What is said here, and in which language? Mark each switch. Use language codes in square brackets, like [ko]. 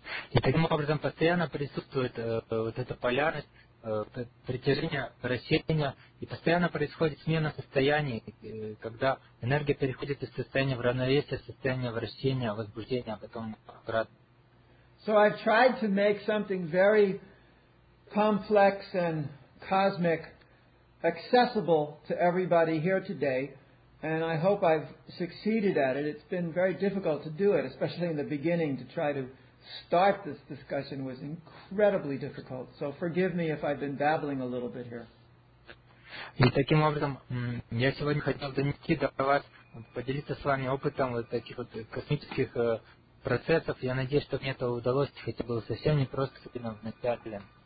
[ru] И таким образом постоянно присутствует вот эта полярность, притяжение, рассеяние, и постоянно происходит смена состояний, когда энергия переходит из состояния в равновесие, состояние в рассеяние, возбуждение, а потом обратно. [en] So I've tried to make something very complex and cosmic accessible to everybody here today, and I hope I've succeeded at it. It's been very difficult to do it, especially in the beginning, to try to start this discussion was incredibly difficult. So forgive me if I've been babbling a little bit here. [ru] И таким образом, я сегодня хотел донести до вас, поделиться с вами опытом вот таких вот космических процессов. Я надеюсь, что мне это удалось, хотя было совсем не просто, хотя бы начали.